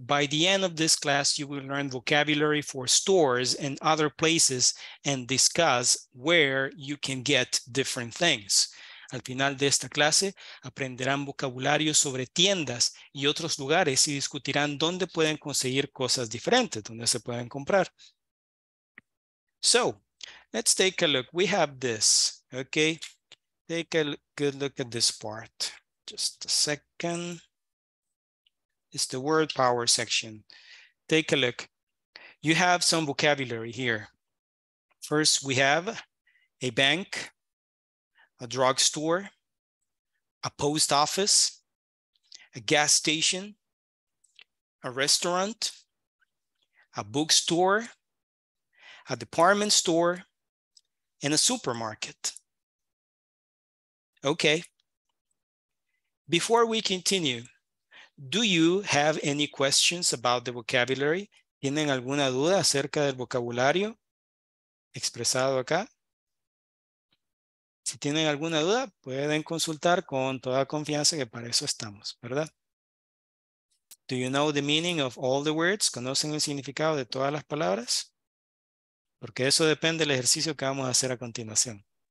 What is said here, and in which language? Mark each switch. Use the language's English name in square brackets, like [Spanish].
[English] By the end of this class, you will learn vocabulary for stores and other places and discuss where you can get different things. [Spanish] Al final de esta clase, aprenderán vocabulario sobre tiendas y otros lugares y discutirán dónde pueden conseguir cosas diferentes, dónde se pueden comprar. [English] So, let's take a look. We have this, okay? Take a good look at this part. Just a second. It's the word power section. Take a look. You have some vocabulary here. First, we have a bank, a drugstore, a post office, a gas station, a restaurant, a bookstore, a department store, and a supermarket. Okay. Before we continue, do you have any questions about the vocabulary? [Spanish] ¿Tienen alguna duda acerca del vocabulario expresado acá? Si tienen alguna duda, pueden consultar con toda confianza que para eso estamos, ¿verdad? [English] Do you know the meaning of all the words? [Spanish] ¿Conocen el significado de todas las palabras? Porque eso depende del ejercicio que vamos a hacer a continuación.